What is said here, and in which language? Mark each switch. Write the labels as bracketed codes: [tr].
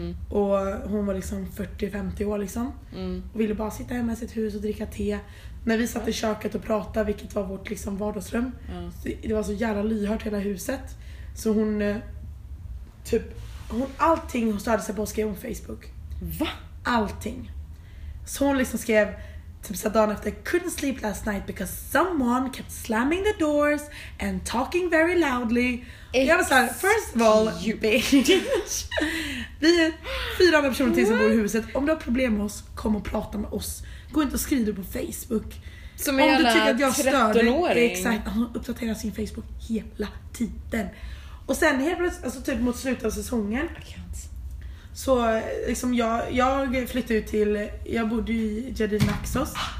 [sv] Och hon var liksom 40-50 år liksom. Och ville bara sitta hemma i sitt hus och dricka te. När vi satt i köket och pratade, vilket var vårt liksom vardagsrum. Det var så jävla lyhört hela huset. Så hon typ, hon, allting hon stödde sig på skrev hon Facebook. Va? Allting. Så hon liksom skrev typ så dagen efter, [en] couldn't sleep last night because someone kept slamming the doors and talking very loudly. [sv] Och jag var såhär, [en] first of all, you bitch. [sv] Vi är 400 personer till som bor i huset. Om du har problem med oss, kom och prata med oss. Gå inte och skriv på Facebook. Som en jävla 13-åring. Exakt, hon uppdaterar sin Facebook hela tiden. Och sen helt plötsligt, alltså typ mot slutet av säsongen, så liksom jag flyttade ut till, jag bodde i Jedi Naxos.